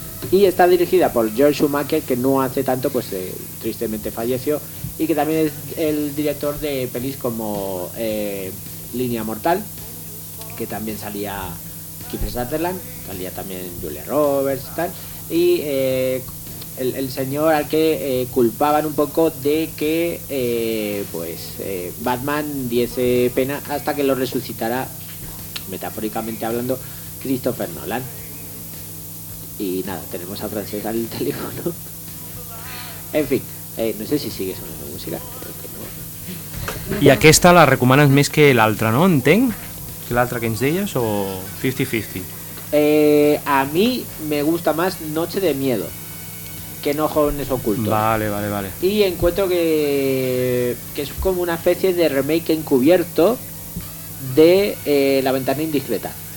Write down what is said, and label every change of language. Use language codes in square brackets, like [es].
[es] Y está dirigida por George Schumacher, que no hace tanto, pues tristemente falleció, y que también es el director de pelis como Línea Mortal, que también salía Kiefer Sutherland, salía también Julia Roberts y tal, y el señor al que culpaban un poco de que Batman diese pena hasta que lo resucitara, metafóricamente hablando, Christopher Nolan. Y nada, tenemos a Frances al teléfono. En fin, no sé si sigue sonando música. [ca] I aquesta la recomanes més que l'altra, no? Entenc, que l'altra que ens deies, o 50-50? [es] A mi me gusta más Noche de Miedo que No Jóvenes Ocultos. Vale. Y encuentro que es como una especie de remake encubierto de La Ventana Indiscreta.